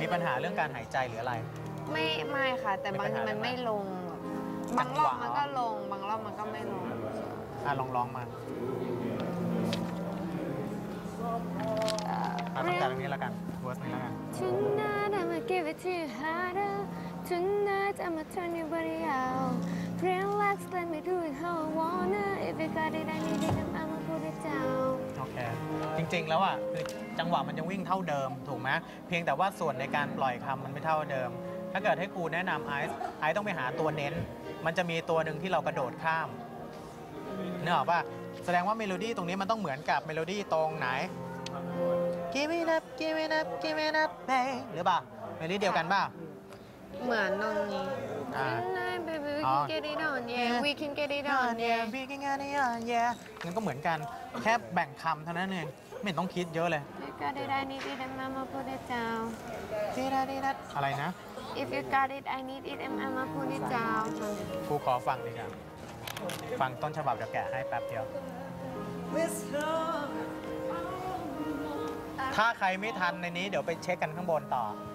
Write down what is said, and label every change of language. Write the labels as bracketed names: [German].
[Thai] มีปัญหาเรื่องการหายใจหรืออะไร ไม่ค่ะแต่บางทีมันไม่ลงบางรอบมันก็ลงบางรอบมันก็ไม่ลง อ่ะลองร้องมาตั้งแต่ตรงนี้แล้วกันเวอร์สนี้แล้วกัน [English] Tonight I'ma give it to you harder. Tonight I'ma turn your body out. Relax, let me do it how I wanna. If you got it, I need it, I'ma put it down. Okay. [Thai] จริงๆแล้วอ่ะคือจังหวะมันจะวิ่งเท่าเดิมถูกไหมเพียงแต่ว่าส่วนในการปล่อยคำมันไม่เท่าเดิมถ้าเกิดให้ครูแนะนำไอซ์ต้องไปหาตัวเน้นมันจะมีตัวนึงที่เรากระโดดข้ามเนี่ยหรอป่ะแสดงว่าเมโลดี้ตรงนี้มันต้องเหมือนกับเมโลดี้ตรงไหน [English] give it up give it up give it up babe [Thai] หรือเปล่าเมโลดี้เดียวกันป่ะ เหมือนตรงนี้ [English] baby we can get it on yeah we can get it on yeah we can get it on yeah [Thai] งั้นก็เหมือนกันแค่แบ่งคำเท่านั้นเองไม่ต้องคิดเยอะเลย [English] if you got it I need it and I'ma put it down [Thai] อะไรนะ [English] if you got it I need it and I'ma put it down [Thai] ครูขอฟังดีกว่าฟังต้นฉบับจะแกะให้แป๊บเดียวถ้าใครไม่ทันในนี้เดี๋ยวไปเช็คกันข้างบนต่อ